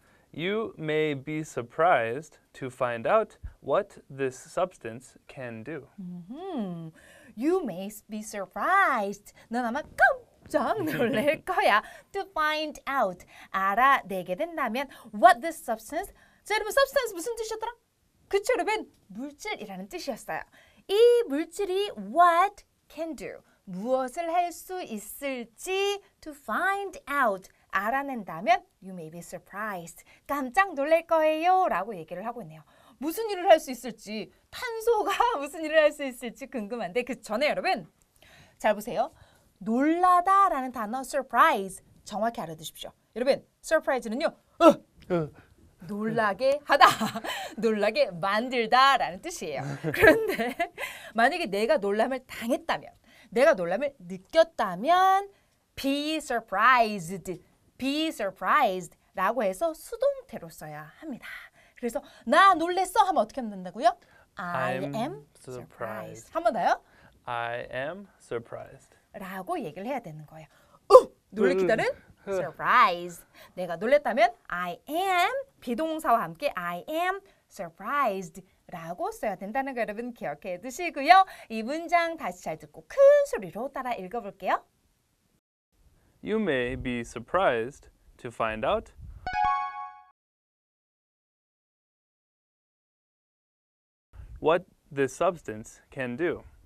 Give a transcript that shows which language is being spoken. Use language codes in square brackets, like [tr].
[en] You may be surprised to find out what this substance can do. You may be surprised. [ko] 넌 아마 깜짝 놀랄 거야. [en] To find out. [ko] 알아내게 된다면 [en] what this substance. [ko] 자, 여러분, substance 무슨 뜻이었더라? 그쵸, 여러분? 물질이라는 뜻이었어요. 이 물질이 [en] what can do. [ko] 무엇을 할 수 있을지 [en] to find out. [ko] 알아낸다면 [en] you may be surprised. [ko] 깜짝 놀랄 거예요. 라고 얘기를 하고 있네요. 무슨 일을 할 수 있을지, 탄소가 무슨 일을 할 수 있을지 궁금한데 그 전에 여러분, 잘 보세요. 놀라다 라는 단어, surprise, 정확히 알아두십시오. 여러분, surprise는요, 놀라게 하다, 놀라게 만들다 라는 뜻이에요. 그런데 만약에 내가 놀람을 당했다면, 내가 놀람을 느꼈다면 [en] be surprised, be surprised [ko] 라고 해서 수동태로 써야 합니다. 그래서 나 놀랬어 하면 어떻게 하면 된다고요? [en] I am surprised. [ko] 한 번 더요. [en] I am surprised. [ko] 라고 얘기를 해야 되는 거예요. 놀래키다는 surprise. 내가 놀랬다면 I am, 비동사와 함께 [en] I am surprised [ko] 라고 써야 된다는 거 여러분 기억해 두시고요. 이 문장 다시 잘 듣고 큰 소리로 따라 읽어볼게요. [en] You may be surprised to find out what this substance can do.